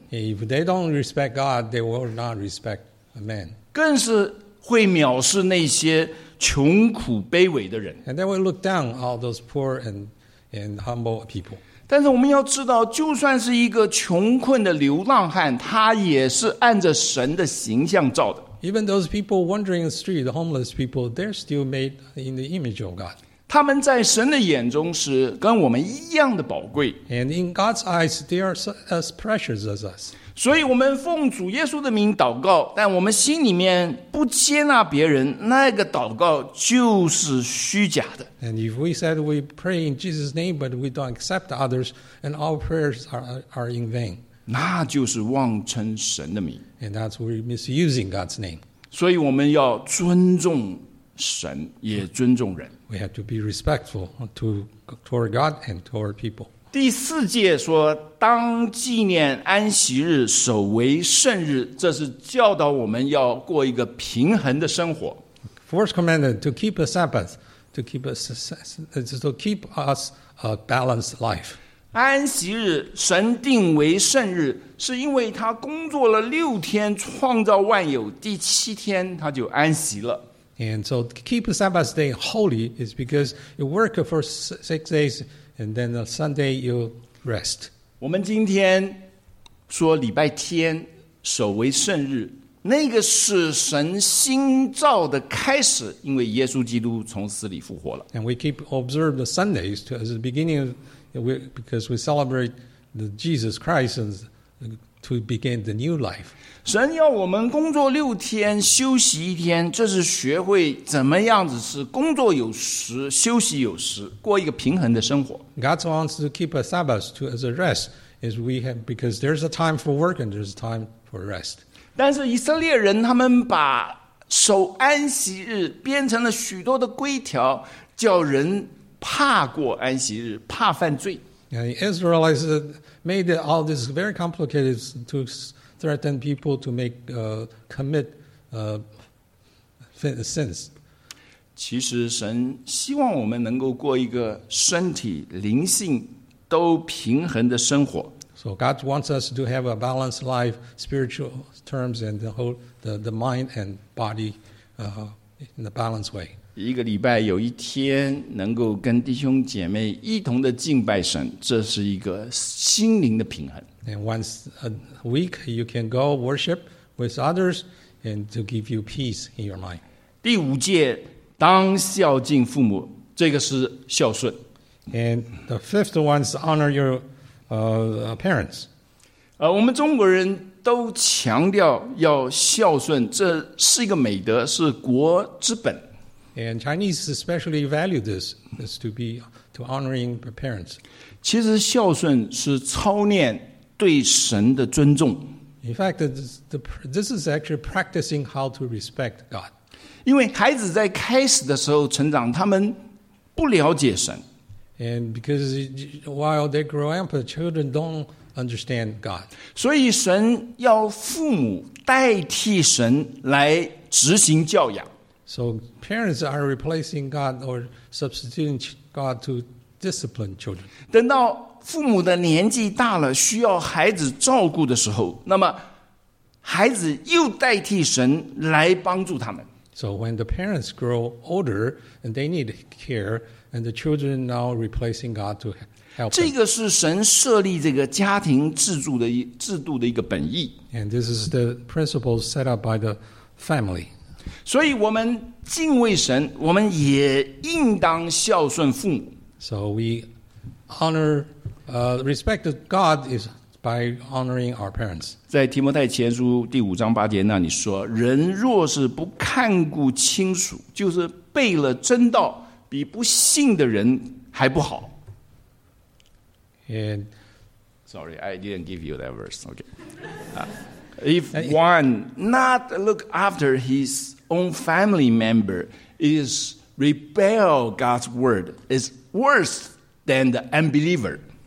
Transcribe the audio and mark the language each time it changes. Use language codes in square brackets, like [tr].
[en] If they don't respect God, they will not respect a man. [zh] 更是会藐视那些穷苦卑微的人。 [en] And they will look down all those poor and humble people. [zh] 但是我们要知道，就算是一个穷困的流浪汉，他也是按着神的形象造的。 [en] Even those people wandering the street, the homeless people, they're still made in the image of God. [zh] 他们在神的眼中是跟我们一样的宝贵。 [en] And in God's eyes, they are as precious as us. [zh] 所以我们奉主耶稣的名祷告，但我们心里面不接纳别人，那个祷告就是虚假的。 [en] And if we said we pray in Jesus' name, but we don't accept others, and our prayers are in vain. [zh] 那就是妄称神的名。 [en] And that's we're misusing God's name. [zh] 所以我们要尊重神，也尊重人。 [en] We have to be respectful toward God and toward people. [zh] 第四节说，当纪念安息日，守为圣日，这是教导我们要过一个平衡的生活。 [en] Fourth commandment, to keep a Sabbath. To keep us a balanced life. [zh] 安息日神定为圣日，是因为他工作了六天，创造万有，第七天他就安息了。 [en] And so keep the Sabbath day holy is because you work for six days and then the Sunday you rest. [zh] 我们今天说礼拜天守为圣日。那个是神新造的开始，因为耶稣基督从死里复活了。 [en] And we keep observe the Sundays as the beginning, because we celebrate the Jesus Christ to begin the new life. [zh] 神要我们工作六天，休息一天，这是学会怎么样子是工作有时，休息有时，过一个平衡的生活。 [en] God wants to keep a Sabbath to as a rest, as we have because there's a time for work and there's a time for rest. [zh] 但是以色列人他们把守安息日变成了许多的规条，叫人怕过安息日，怕犯罪。 [en] And Israelites made all this very complicated to threaten people to make commit sins. [zh] 其实神希望我们能够过一个身体、灵性都平衡的生活。 [en] So God wants us to have a balanced life, spiritual terms, and the whole, the mind and body, in a balanced way. [zh] 一个礼拜有一天能够跟弟兄姐妹一同的敬拜神，这是一个心灵的平衡。 [en] And once a week, you can go worship with others, and to give you peace in your mind. [zh] 第五戒，当孝敬父母，这个是孝顺。 [en] And the fifth one is honor your parents. [zh] 我们中国人都强调要孝顺，这是一个美德，是国之本。 [en] And Chinese especially value this, is to honoring parents. [zh] 其实孝顺是操练对神的尊重。 [en] In fact, this is actually practicing how to respect God. [zh] 因为孩子在开始的时候成长，他们不了解神。 [en] And because while they grow up, children don't understand God. [zh] 所以神要父母代替神来执行教养。 [en] So parents are replacing God or substituting God to discipline children. [zh] 等到父母的年纪大了，需要孩子照顾的时候，那么孩子又代替神来帮助他们。 [en] So when the parents grow older and they need care, and the children now replacing God to help them. [zh] 这个是神设立这个家庭制度的一个本意。 [en] And this is the principle set up by the family. [zh] 所以我们敬畏神，我们也应当孝顺父母。 [en] So we honor, respect God is by honoring our parents. [zh] 在提摩太前书第五章八节那里说，人若是不看顾亲属，就是背了真道，比不信的人还不好。 [en] And sorry, I didn't give you that verse. Okay. If one not look after his own family member is rebel God's word is worse than the unbeliever.